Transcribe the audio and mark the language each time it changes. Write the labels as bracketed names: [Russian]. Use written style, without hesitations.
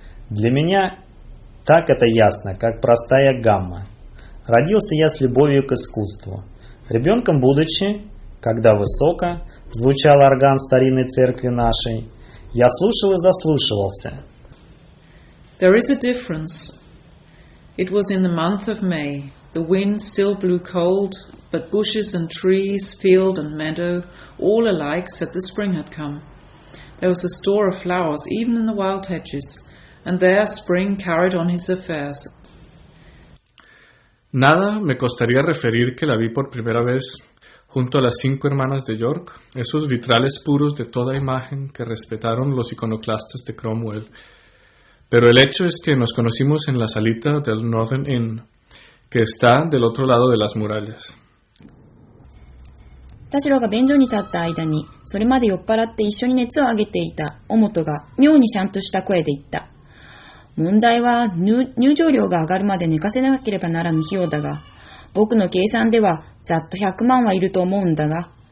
[Russian] Для меня так это ясно, как простая гамма. Родился я с любовью к искусству. Ребенком будучи, когда высоко звучал орган старинной церкви нашей, я слушал и заслушивался. [English] There is a difference. It was in the month of May. The wind still blew cold, but bushes and trees, field and meadow, all alike said the spring had come. There was a store of flowers, even in the wild hedges. And there Spring carried on his affairs. [Spanish] Nada me costaría referir que la vi por primera vez junto a las cinco hermanas de York, esos vitrales puros de toda imagen que respetaron los iconoclastas de Cromwell. Pero el hecho es que nos conocimos en la salita del Northern Inn, que está del otro lado de las murallas. [Japanese] 田代が便所に立った間に、それまで酔っ払って一緒に熱を上げていた尾本が妙にシャンとした声で言った。問題は入場料が上がるまで寝かせなければならぬ費用だが、僕の計算ではざっと100万はいると思うんだが。